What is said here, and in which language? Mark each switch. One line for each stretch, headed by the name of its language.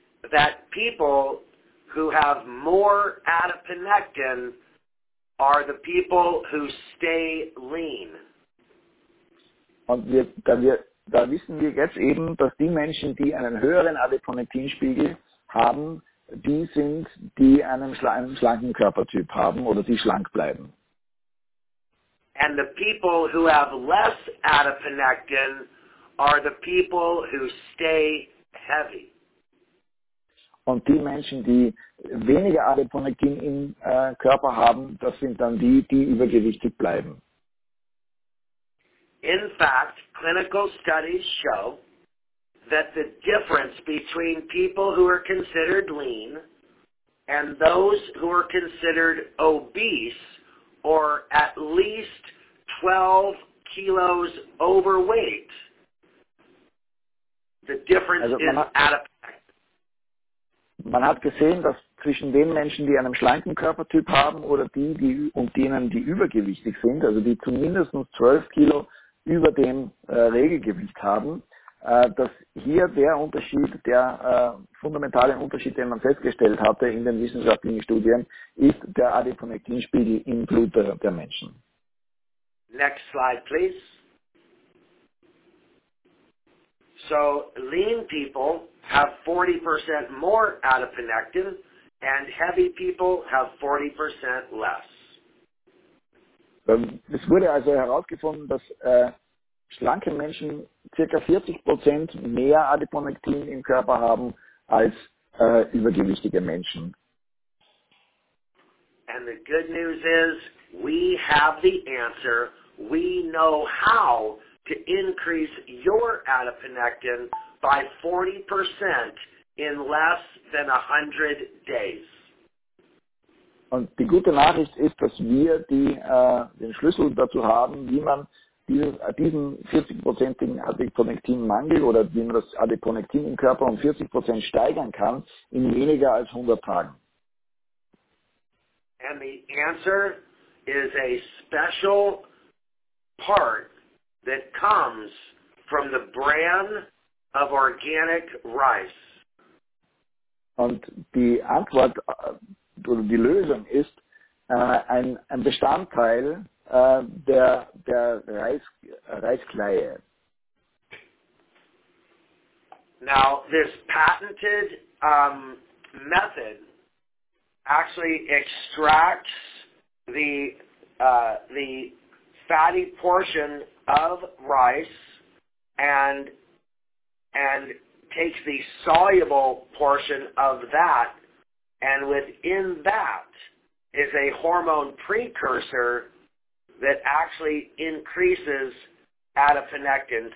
English: that people who have more adiponectin are the people who stay lean.
German: Und da wissen wir jetzt eben, dass die Menschen, die einen höheren Adiponektinspiegel haben, die sind, die einen schlanken Körpertyp haben oder die schlank bleiben.
English: And the people who have less adiponectin are the people who stay heavy.
German: Und die Menschen, die weniger Adiponektin im Körper haben, das sind dann die, die übergewichtig bleiben.
English: In fact, clinical studies show that the difference between people who are considered lean and those who are considered obese or at least 12 kilos overweight, the difference is adiponectin.
German: Man hat gesehen, dass zwischen den Menschen, die einen schlanken Körpertyp haben oder denen, die übergewichtig sind, also die zumindest 12 Kilo über dem Regelgewicht haben, dass hier der Unterschied, der fundamentale Unterschied, den man festgestellt hatte in den wissenschaftlichen Studien, ist der Adiponektinspiegel im Blut der Menschen.
English: Next slide, please. So lean people have 40% more adiponectin and heavy people have 40% less.
German: Es wurde also herausgefunden, dass schlanke Menschen ca. 40% mehr Adiponektin im Körper haben als übergewichtige Menschen.
English: And the good news is we have the answer. We know how to increase your adiponectin by 40% in less than 100 days.
German: Und die gute Nachricht ist, dass wir den Schlüssel dazu haben, wie man diesen 40%igen Adiponektinmangel oder wie man das Adiponektin im Körper um 40% steigern kann in weniger als 100 Tagen.
English: And the answer is a special part that comes from the bran of organic rice.
German: Und die Antwort oder die Lösung ist ein Bestandteil der Reiskleie.
English: Now, this patented method actually extracts the fatty portion of rice and takes the soluble portion of that, and within that is a hormone precursor that actually increases adiponectin.